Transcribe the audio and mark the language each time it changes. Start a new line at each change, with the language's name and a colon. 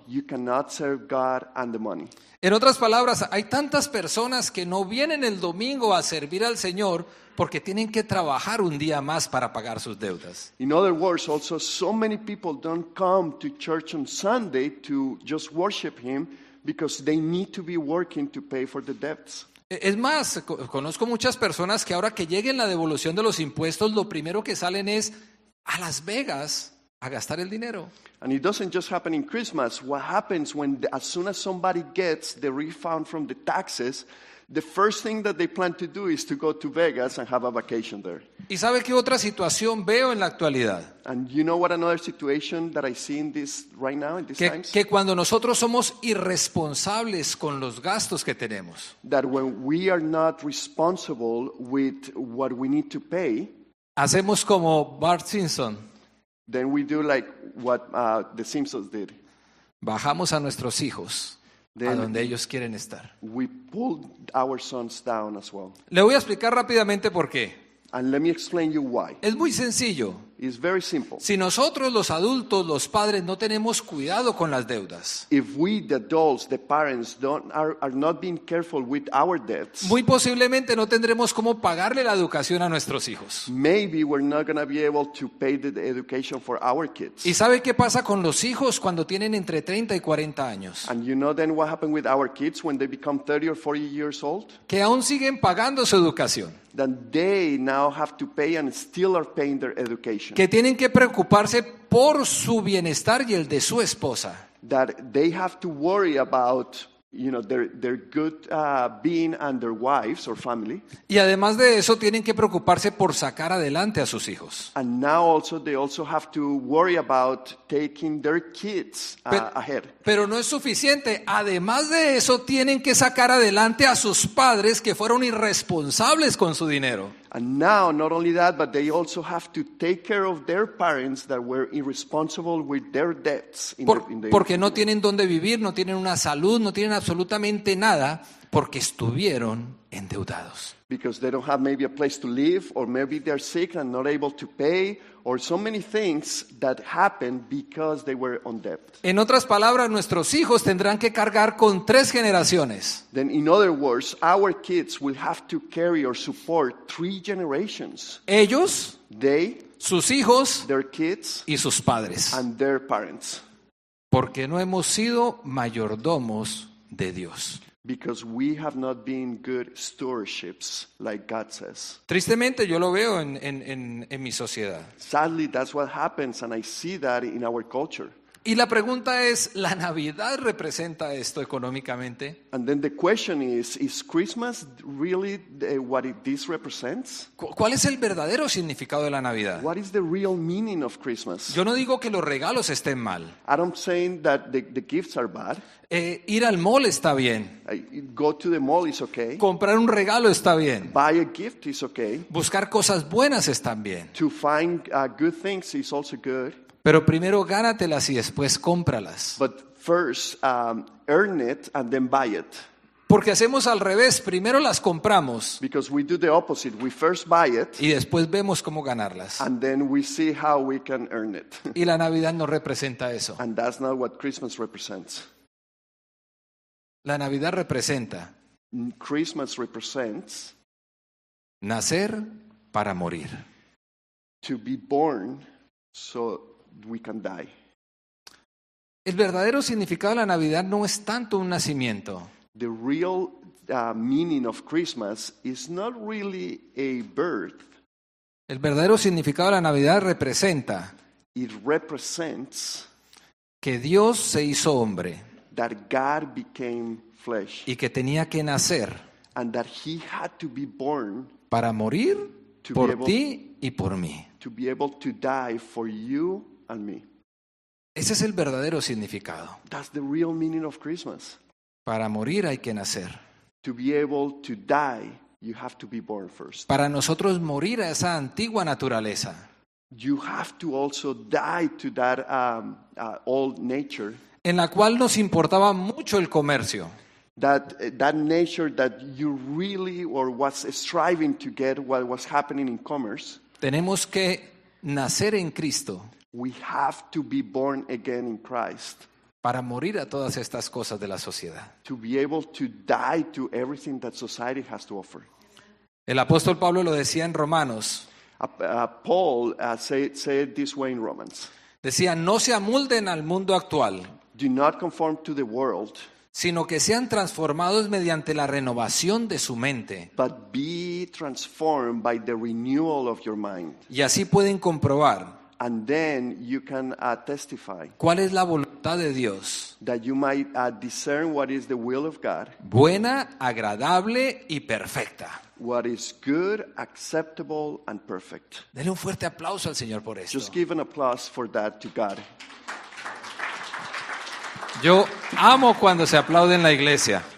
English: You cannot serve God and the money.
Spanish: En otras palabras, hay tantas personas que no vienen el domingo a servir al Señor porque tienen que trabajar un día más para pagar sus deudas.
English: In other words, also so many people don't come to church on Sunday to just worship him because they need to be working to pay for the debts.
Spanish: Es más, conozco muchas personas que ahora que lleguen la devolución de los impuestos, lo primero que salen es a Las Vegas a gastar el dinero.
English: And it doesn't just happen in Christmas. What happens when, as soon as somebody gets the refund from the taxes, the first thing that they plan to do is to go to Vegas and have a vacation there.
Spanish: ¿Y sabe qué otra situación veo en la actualidad?
English: And you know what another situation that I see in this right now, in these times?
Spanish: Que cuando nosotros somos irresponsables con los gastos que tenemos.
English: That when we are not responsible with what we need to pay.
Spanish: Hacemos como Bart Simpson.
English: Then we do like what the Simpsons did.
Spanish: Bajamos a nuestros hijos. A donde ellos quieren estar.
English: We pulled our sons down as well.
Spanish: Le voy a explicar rápidamente por qué.
English: And let me explain you why.
Spanish: Es muy sencillo.
English: It's very simple.
Spanish: Si nosotros los adultos, los padres, no tenemos cuidado con las deudas.
English: If we, the adults, the parents, are not being careful with our debts.
Spanish: Muy posiblemente no tendremos cómo pagarle la educación a nuestros hijos.
English: Maybe we're not going to be able to pay the education for our kids.
Spanish: ¿Y sabe qué pasa con los hijos cuando tienen entre 30 y 40 años?
English: And you know then what happened with our kids when they become 30 or 40 years old?
Spanish: Que aún siguen pagando su educación.
English: That they now have to pay and still are paying their education.
Spanish: Que tienen que preocuparse por su bienestar y el de su esposa.
English: That they have to worry about, you know, their good being and their wives or family.
Spanish: Y además de eso, tienen que preocuparse por sacar adelante a sus hijos.
English: And now also they also have to worry about taking their kids ahead.
Spanish: Pero no es suficiente. Además de eso, tienen que sacar adelante a sus padres que fueron irresponsables con su dinero.
English: And now, not only that, but they also have to take care of their parents that were irresponsible with their debts.
Spanish: Porque no tienen dónde vivir, no tienen una salud, no tienen absolutamente nada, porque estuvieron endeudados.
English: Because they don't have maybe a place to live, or maybe they're sick and not able to pay, or so many things that happen because they were on debt.
Spanish: En otras palabras, nuestros hijos tendrán que cargar con tres generaciones.
English: Then in other words, our kids will have to carry or support three generations.
Spanish: Ellos,
English: they,
Spanish: sus hijos,
English: their kids,
Spanish: y sus padres.
English: And their parents.
Spanish: Porque no hemos sido mayordomos de Dios.
English: Because we have not been good stewardships, like God says.
Spanish: Tristemente, yo lo veo en mi sociedad.
English: Sadly, that's what happens, and I see that in our culture.
Spanish: Y la pregunta es, ¿la Navidad representa esto económicamente?
English: And then the question is Christmas really what this represents?
Spanish: ¿Cuál es el verdadero significado de la Navidad?
English: What is the real meaning of Christmas?
Spanish: Yo no digo que los regalos estén mal.
English: I'm saying that the gifts are bad.
Spanish: Ir al mall está bien.
English: Go to the mall is okay.
Spanish: Comprar un regalo está bien.
English: Buy a gift is okay.
Spanish: Buscar cosas buenas está bien.
English: To find good things is also good.
Spanish: Pero primero gánatelas y después cómpralas.
English: But first, earn it and then buy it.
Spanish: Porque hacemos al revés, primero las compramos.
English: Because we do the opposite. We first buy it,
Spanish: y después vemos cómo ganarlas.
English: And then we see how we can earn it.
Spanish: Y la Navidad no representa eso.
English: And that's not what Christmas represents.
Spanish: La Navidad representa.
English: Christmas represents.
Spanish: Nacer para morir.
English: To be born so we can die.
Spanish: El verdadero significado de la Navidad no es tanto un nacimiento.
English: The real meaning of Christmas is not really a birth.
Spanish: El verdadero significado de la Navidad representa.
English: It represents
Spanish: que Dios se hizo hombre.
English: That God became flesh.
Spanish: Y que tenía que nacer.
English: And that he had to be born.
Spanish: Para morir por ti y por mí.
English: To be able to die for you. And me.
Spanish: Ese es el verdadero significado.
English: That's the real meaning of Christmas.
Spanish: Para morir hay que nacer.
English: To be able to die, you have to be born first.
Spanish: Para nosotros morir a esa antigua naturaleza.
English: You have to also die to that old nature.
Spanish: En la cual nos importaba mucho el comercio.
English: that nature that you really or was striving to get what was happening in commerce.
Spanish: Tenemos que nacer en Cristo.
English: We have to be born again in Christ.
Spanish: Para morir a todas estas cosas de la sociedad.
English: To be able to die to everything that society has to offer.
Spanish: El apóstol Pablo lo decía en Romanos.
English: Paul said this way in Romans.
Spanish: Decía, no se amolden al mundo actual.
English: Do not conform to the world.
Spanish: Sino que sean transformados mediante la renovación de su mente.
English: But be transformed by the renewal of your mind.
Spanish: Y así pueden comprobar.
English: And then you can testify.
Spanish: ¿Cuál es la voluntad de Dios?
English: That you might discern what is the will of God.
Spanish: Buena, agradable y perfecta.
English: What is good, acceptable and perfect.
Spanish: Denle un fuerte aplauso al Señor por esto.
English: Just give an applause for that to God.
Spanish: Yo amo cuando se aplaude en la iglesia.